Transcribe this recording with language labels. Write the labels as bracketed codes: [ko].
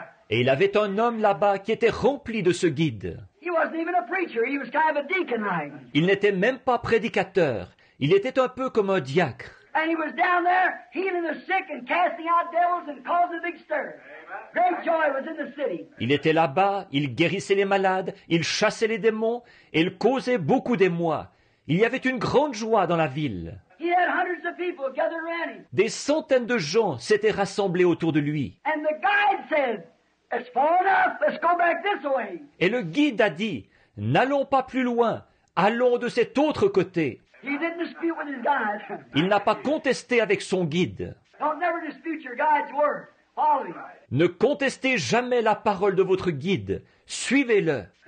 [fr] Et il avait un homme là-bas qui était rempli de ce guide. [en] He wasn't even a preacher, he was kind of a deacon. [fr] Il n'était même pas prédicateur, il était un peu comme un diacre. [en] And he was down there healing the sick and casting out devils and causing a big stir. Great joy was in the city. [fr] Il était là-bas, il guérissait les malades, il chassait les démons et il causait beaucoup d'émoi. Il y avait une grande joie dans la ville. [en] He had hundreds of people gathered around him. [fr] Des centaines de gens s'étaient rassemblés autour de lui. [en] And the guide said, "It's far enough. Let's go back this way." [fr] Et le guide a dit, "N'allons pas plus loin. Allons de cet autre côté." [en] He didn't dispute with his guide. [fr] Il n'a pas contesté avec son guide. [en] Don't never dispute your guide's word. [fr] Ne contestez jamais la parole de votre guide. Suivez-le.